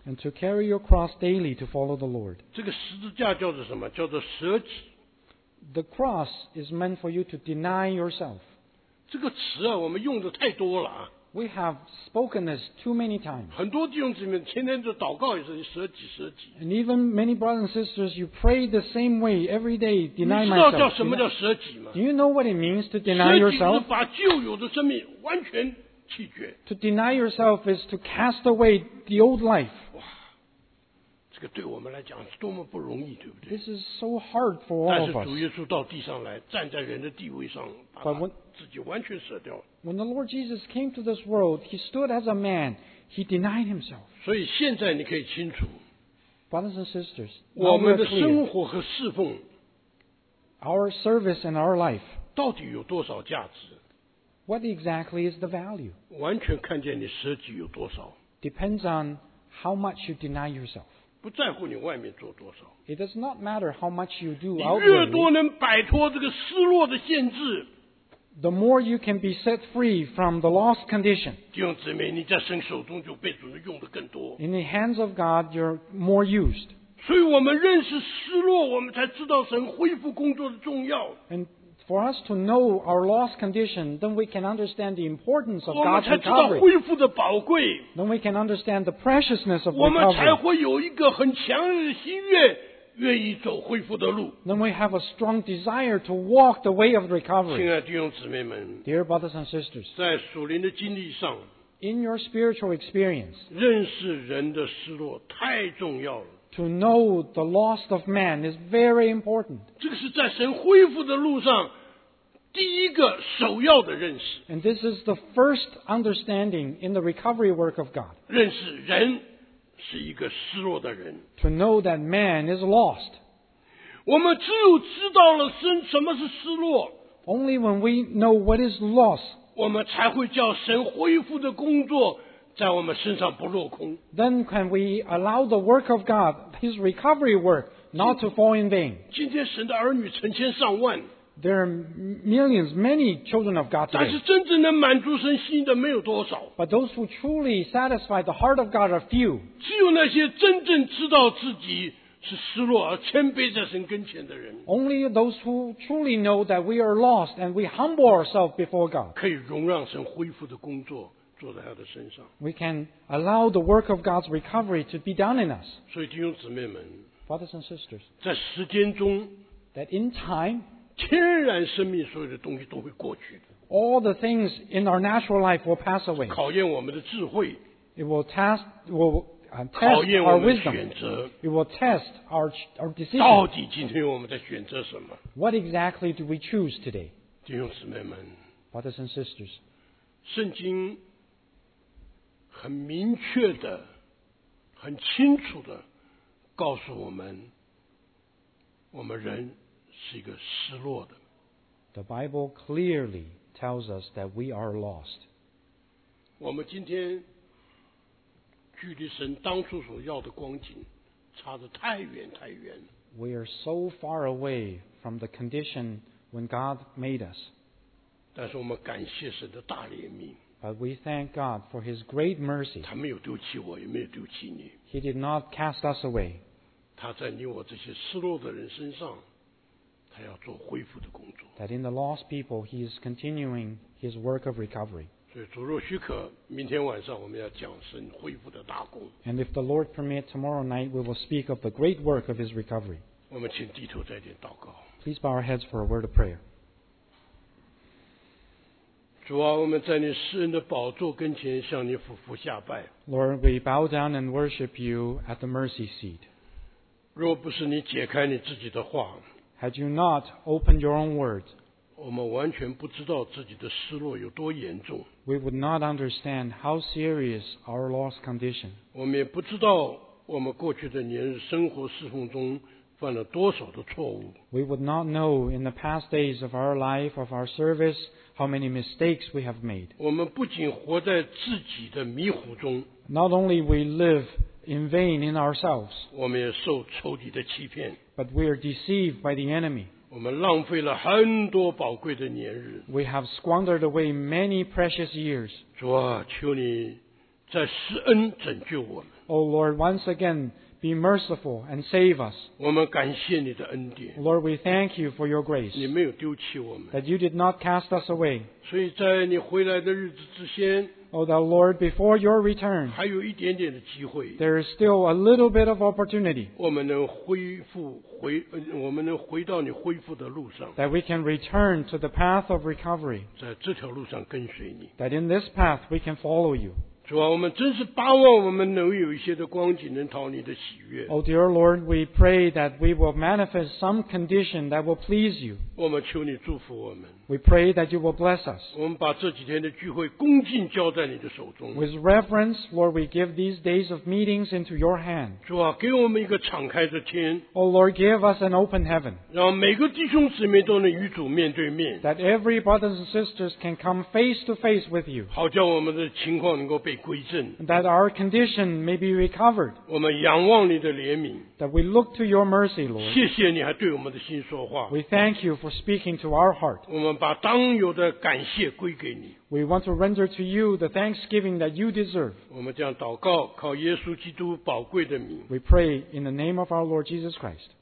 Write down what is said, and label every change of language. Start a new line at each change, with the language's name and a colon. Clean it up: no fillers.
English: And to carry your cross daily to follow the Lord.
Chinese: 这个十字架叫做什么？叫做舍己。
English: The cross is meant for you to deny yourself.
Chinese: 这个词啊，我们用的太多了啊。
English: We have spoken this too many times.
Chinese: 很多弟兄姊妹天天就祷告也是你舍己舍己。
English: And even many brothers and sisters, you pray the same way every day, deny myself.
Chinese: 你知道叫什么叫舍己吗？
English: Do you know what it means to deny yourself?
Chinese: 舍己是把旧有的生命完全弃绝。
English: To deny yourself is to cast away the old life.
Chinese: 哇，这个对我们来讲多么不容易，对不对？
English: This is so hard for all of us.
Chinese: 但是主耶稣到地上来，站在人的地位上，把自己完全舍掉。
English: When the Lord Jesus came to this world, He stood as a man. He denied Himself.
Chinese: 所以现在你可以清楚
English: Brothers and sisters,
Chinese: 我们的生活和侍奉
English: Our service and our life
Chinese: 到底有多少价值
English: What exactly is the value?
Chinese: 完全看见你舍己有多少
English: Depends on how much you deny yourself.
Chinese: 不在乎你外面做多少
English: It does not matter how much you do outwardly.
Chinese: 你越多能摆脱这个失落的限制
English: The more you can be set free from the lost condition,
Chinese: 弟兄姊妹，你在神手中就被主人用的更多。
English: In the hands of God, you're more used.
Chinese: 所以我们认识失落，我们才知道神恢复工作的重要。
English: And for us to know our lost condition, then we can understand the importance of God's recovery.
Chinese: 我们才知道恢复的宝贵。
English: Then we can understand the preciousness of
Chinese: recovery. 我们才会有一个很强烈的喜悦。愿意走恢复的路。
English: Then we have a strong desire to walk the way of recovery.
Chinese: 亲爱的弟兄姊妹们
English: Dear brothers and sisters,
Chinese: 在属灵的经历上
English: In your spiritual experience,
Chinese: 认识人的失落太重要了。
English: To know the loss of man is very important.
Chinese: 这个是在神恢复的路上第一个首要的认识。
English: And this is the first understanding in the recovery work of God.
Chinese: 认识人是一个失落的人。
English: To know that man is lost.
Chinese: 我们只有知道了神什么是失落。
English: Only when we know what is lost.
Chinese: 我们才会叫神恢复的工作在我们身上不落空。
English: Then can we allow the work of God, His recovery work, not to fall in vain.
Chinese: 今天神的儿女成千上万。
English: There are millions, many children of God today.
Chinese: 但是真正能满足神心的没有多少。
English: But those who truly satisfy the heart of God are few.
Chinese: 只有那些真正知道自己是失落而谦卑在神跟前的人。
English: Only those who truly know that we are lost and we humble ourselves before God.
Chinese: 可以容让神恢复的工作做在他的身上。
English: We can allow the work of God's recovery to be done in us.
Chinese: 所以弟兄姊妹们
English: Brothers and sisters,
Chinese: 在时间中
English: that in time,
Chinese: 天然生命所有的东西都会过去的。
English: All the things in our natural life will pass away.
Chinese: 考验我们的智慧。
English: It will test our wisdom.
Chinese: 考验我们的选择。
English: It will test our decision.
Chinese: 到底今天我们在选择什么？
English: What exactly do we choose today?
Chinese: 弟兄姊妹们。
English: Brothers and sisters.
Chinese: 圣经很明确的、很清楚的告诉我们，我们人。是一个失落的。
English: The Bible clearly tells us that we are lost.
Chinese: 我们今天距离神当初所要的光景差得太远太远了。
English: We are so far away from the condition when God made us.
Chinese: 但是我们感谢神的大怜悯。
English: But we thank God for His great mercy.
Chinese: 他没有丢弃我，也没有丢弃你。
English: He did not cast us away.
Chinese: 他在你我这些失落的人身上。他要做恢复的工作。
English: That in the lost people, he is continuing his work of recovery.
Chinese: 所以主若许可，明天晚上我们要讲神恢复的大工。
English: And if the Lord permit, tomorrow night we will speak of the great work of his recovery.
Chinese: 我们请低头再点祷告。
English: Please bow our heads for a word of prayer.
Chinese: 主啊，我们在你施恩的宝座跟前向你俯伏下拜。
English: Lord, we bow down and worship you at the mercy seat.
Chinese: 若不是你解开你自己的话。
English: Had you not opened your own words,
Chinese: 我们完全不知道自己的失落有多严重。
English: We would not understand how serious our lost condition.
Chinese: 我们也不知道我们过去的年日生活侍奉中犯了多少的错误。
English: We would not know in the past days of our life, of our service, how many mistakes we have made.
Chinese: 我们不仅活在自己的迷糊中。
English: Not only we live in vain in ourselves.
Chinese: 我们也受仇敌的欺骗。
English: But we are deceived by the enemy.
Chinese: 我们浪费了很多宝贵的年日。
English: We have squandered away many precious years.
Chinese: 主啊，求你在施恩拯救我们。
English: O Lord, once again, be merciful and save us.
Chinese: 我们感谢你的恩典。
English: Lord, we thank you for your grace.
Chinese: 你没有丢弃我们。
English: That you did not cast us away.
Chinese: 所以在你回来的日子之前。
English: Oh, the Lord, before your return,
Chinese: 还有一点点的机会,
English: there is still a little bit of opportunity
Chinese: 我们能恢复, 我们能回到你恢复的路上,
English: that we can return to the path of recovery,
Chinese: 在这条路上跟随你,
English: that in this path we can follow you.
Chinese: 主啊, 我们真是巴望我们能有一些的光景能讨你的喜悦。
English: Oh, dear Lord, we pray that we will manifest some condition that will please you.
Chinese: 我们求你祝福我们。
English: We pray that you will bless us.
Chinese: 我们把这几天的聚会恭敬交在你的手中。
English: With reverence, Lord, we give these days of meetings into your hand.
Chinese: 主啊，给我们一个敞开的天。
English: Oh Lord, give us an open heaven.
Chinese: 让每个弟兄姊妹都能与主面对面。
English: That every brothers and sisters can come face to face with you.
Chinese: 好叫我们的情况能够被归正。
English: That our condition may be recovered.
Chinese: 我们仰望你的怜悯。
English: That we look to your mercy, Lord.
Chinese: 谢谢你还对我们的心说话。
English: We thank you for speaking to our heart.
Chinese: 我们把当有的感谢归给你。
English: We want to render to you the thanksgiving that you deserve.
Chinese: 我们这样祷告，靠耶稣基督宝贵的名。
English: We pray in the name of our Lord Jesus Christ.